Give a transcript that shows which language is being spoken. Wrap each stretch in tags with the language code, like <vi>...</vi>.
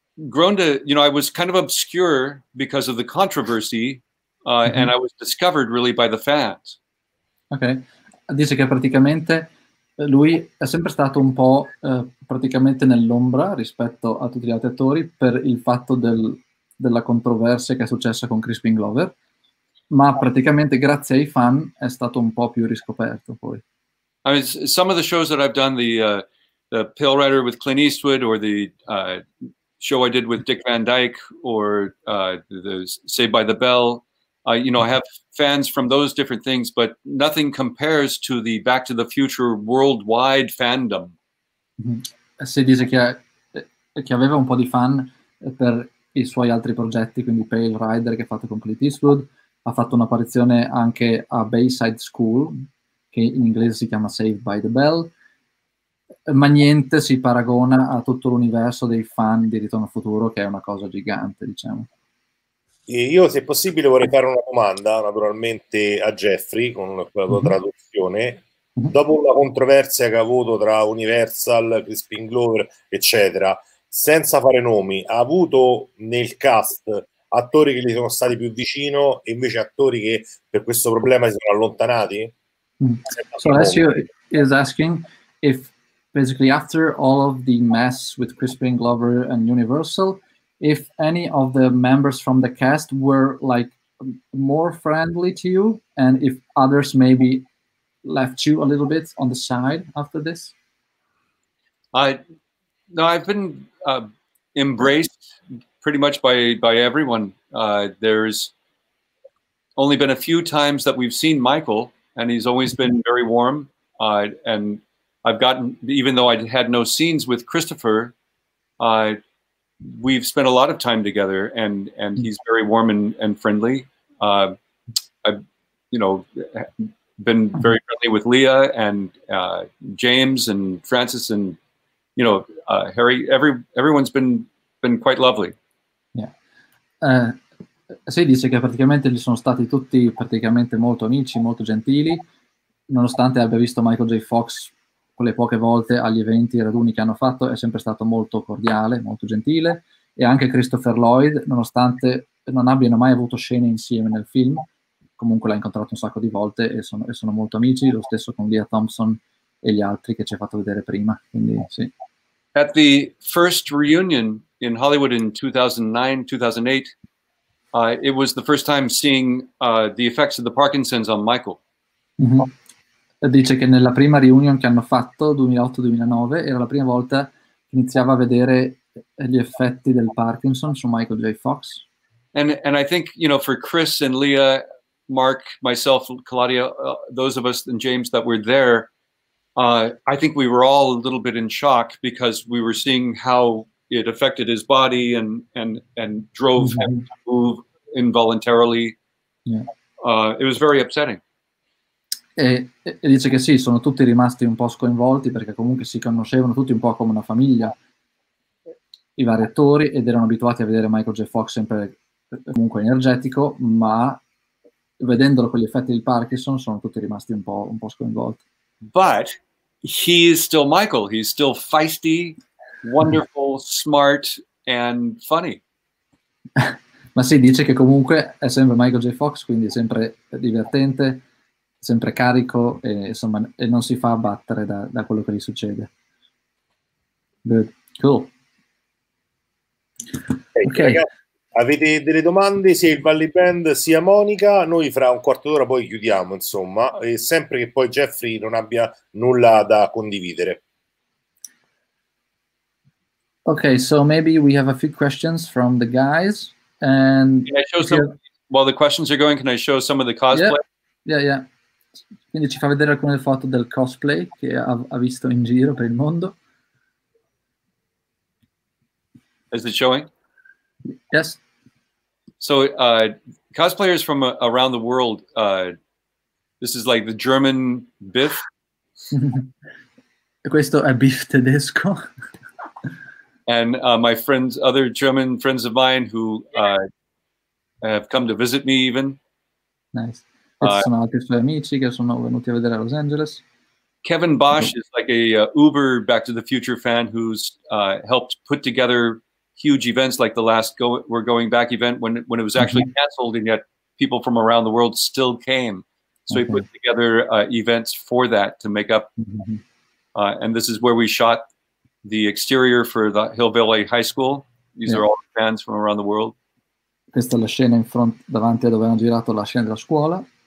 <en>Grown to, you know, I was kind of obscure because of the controversy, and I was discovered really by the fans.</en> <it>Okay, dice che praticamente lui è sempre stato un po' praticamente nell'ombra rispetto a tutti gli altri attori per il fatto della controversia che è successa con Crispin Glover, ma praticamente grazie ai fan è stato un po' più riscoperto poi.</it> <en>I mean, some of the shows that I've done, the Pale Rider with Clint Eastwood, or the show I did with Dick Van Dyke, or the Saved by the Bell. You know, I have fans from those different things, but nothing compares to the Back to the Future worldwide fandom. Mm-hmm.</en> <it>Si dice che aveva un po' di fan per i suoi altri progetti, quindi Pale Rider che ha fatto con Clint Eastwood, ha fatto un'apparizione anche a Bayside School, che in inglese si chiama Saved by the Bell. Ma niente si paragona a tutto l'universo dei fan di Ritorno al Futuro, che è una cosa gigante, diciamo. E io, se possibile, vorrei fare una domanda, naturalmente, a Jeffrey, con la tua traduzione. Dopo la controversia che ha avuto tra Universal, Crispin Glover, eccetera, senza fare nomi, ha avuto nel cast attori che gli sono stati più vicino e invece attori che per questo problema si sono allontanati?</it> <en>So adesso is asking if basically, after all of the mess with Crispin Glover and Universal, if any of the members from the cast were like more friendly to you, and if others maybe left you a little bit on the side after this? I've been embraced pretty much by everyone. There's only been a few times that we've seen Michael, and he's always been very warm. And I've gotten, even though I had no scenes with Christopher, we've spent a lot of time together, and he's very warm and friendly. I've been very friendly with Leah and James and Francis and, you know, Harry. Everyone's been quite lovely. Yeah.</en> <it>Si dice che praticamente li sono stati tutti praticamente molto amici, molto gentili, nonostante abbia visto Michael J. Fox quelle poche volte agli eventi e raduni che hanno fatto, è sempre stato molto cordiale, molto gentile, e anche Christopher Lloyd, nonostante non abbiano mai avuto scene insieme nel film, comunque l'ha incontrato un sacco di volte e sono molto amici, lo stesso con Leah Thompson e gli altri che ci ha fatto vedere prima, quindi sì.</it> <en>At the first reunion in Hollywood in 2009-2008, it was the first time seeing the effects of the Parkinson's on Michael. Mm-hmm.</en> <it>Dice che nella prima reunion che hanno fatto, 2008-2009, era la prima volta che iniziava a vedere gli effetti del Parkinson su Michael J. Fox.</it> <en>And I think, you know, for Chris and Leah, Mark, myself, Claudia, those of us and James that were there, I think we were all a little bit in shock because we were seeing how it affected his body and drove him to move involuntarily. Yeah. It was very upsetting.</en> <it>E dice che sì, sono tutti rimasti un po' sconvolti perché comunque si conoscevano tutti un po' come una famiglia, i vari attori, ed erano abituati a vedere Michael J. Fox sempre comunque energetico, ma vedendolo con gli effetti del Parkinson sono tutti rimasti un po' sconvolti.</it> <en>But he is still Michael, he's still feisty, wonderful, smart and funny.</en> <it>Ma sì, dice che comunque è sempre Michael J. Fox, quindi è sempre divertente, sempre carico e insomma e non si fa abbattere da quello che gli succede.</it> <en>Good. Cool.</en> <it>Okay. Ragazzi, avete delle domande? Sia il Valley Band sia Monica, noi fra un quarto d'ora poi chiudiamo, insomma, e sempre che poi Jeffrey non abbia nulla da condividere.</it> <en>Okay, so maybe we have a few questions from the guys and can I show some, while the questions are going, can I show some of the cosplay? Yeah.</en> <it>Quindi ci fa vedere alcune foto del cosplay che ha visto in giro per il mondo.</it> <en>Is it showing? Yes. So cosplayers from around the world, this is like the German Biff.</en> <it>Questo è Biff tedesco.</it> <en>And my friends, other German friends of mine who have come to visit me even. Nice.</en> <it>Ci sono altri suoi amici che sono venuti a vedere a Los Angeles.</it> <en>Kevin Bosch is like a Uber Back to the Future fan who's helped put together huge events like the last We're Going Back event when it was actually canceled and yet people from around the world still came. So he put together events for that to make up. And this is where we shot the exterior for the Hill Valley High School. These are all fans from around the world.</en> <it>Questa è la scena</it> <en>in front</en> <it>davanti a dove hanno girato la scena della scuola.</it>